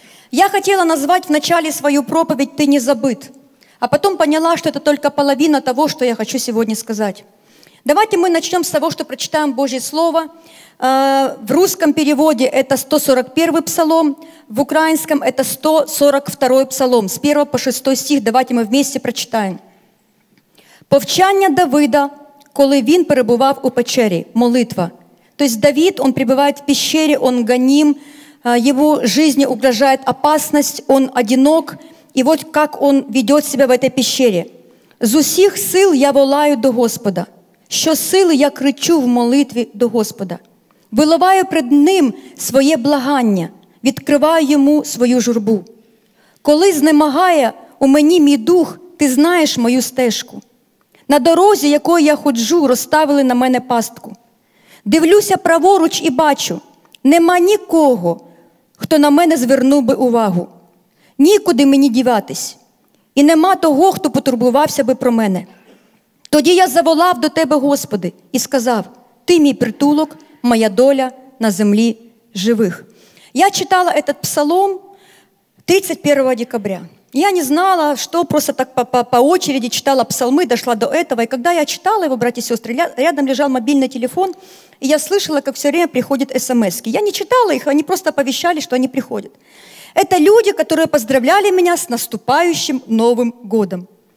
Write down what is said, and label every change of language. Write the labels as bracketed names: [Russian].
[Russian] Я хотела назвать вначале свою проповедь «Ты не забыт», а потом поняла, что это только половина того, что я хочу сегодня сказать. Давайте мы начнем с того, что прочитаем Божье Слово. В русском переводе это 141-й псалом, в украинском это 142-й псалом. С 1 по 6 стих давайте мы вместе прочитаем. [Ukrainian] «Повчання Давида, коли він перебував у печері». Молитва. [Russian] То есть Давид, он пребывает в пещере, он гоним, его жизни угрожает опасность, он одинок. И вот как он ведет себя в этой пещере. [Ukrainian] «З усіх сил я волаю до Господа, що сили я кричу в молитві до Господа». Виливаю пред ним своє благання, відкриваю йому свою журбу. Коли знемагає у мені мій дух, ти знаєш мою стежку. На дорозі, якою я ходжу, розставили на мене пастку. Дивлюся праворуч і бачу, нема нікого, хто на мене звернув би увагу. Нікуди мені діватись, і нема того, хто потурбувався би про мене. Тоді я заволав до тебе, Господи, і сказав, ти мій притулок, моя доля на землі живих. [Russian] Я читала этот псалом 31 декабря. Я не знала, что просто так по очереди читала псалмы, дошла до этого. И когда я читала его, братья и сестры, рядом лежал мобильный телефон, и я слышала, как все время приходят смски. Я не читала их, они просто оповещали, что они приходят. Это люди, которые поздравляли меня с наступающим Новым годом.